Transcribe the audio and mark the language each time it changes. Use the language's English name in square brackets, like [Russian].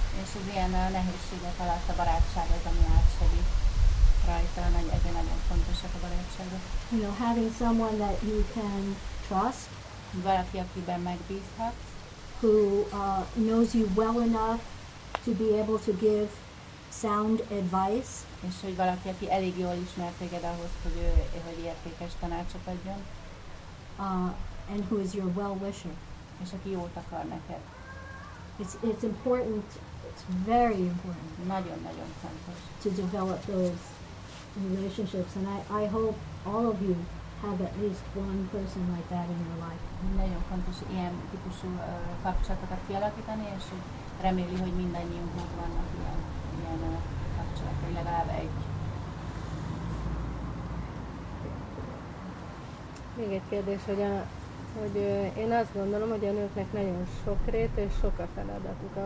[Hungarian] És az ilyen nehézségek alatt a barátság az, ami átsegít rajta, hogy ezért nagyon fontosak a barátságok. [English] You know, having someone that you can trust. [Hungarian] Valaki, akiben megbízhatsz. [English] Who knows you well enough to be able to give sound advice. [Hungarian] És hogy valaki, aki elég jól ismer téged ahhoz, hogy ő, hogy értékes tanácsot adjon. [English] And who is your well-wisher. [Hungarian] És aki jót akar neked. [English] It's important, it's very important. [Hungarian] Nagyon, nagyon fontos. [English] To develop those relationships, and I hope all of you have at least one person like that in your life. [Hungarian] Nagyon fontos ilyen típusú kapcsolatokat kialakítani, és reméli, hogy mindannyiunknak vannak ilyen kapcsolatok, legalább egy. Még egy kérdés, hogy én azt gondolom, hogy a nőknek nagyon sokrét és sok a feladatuk.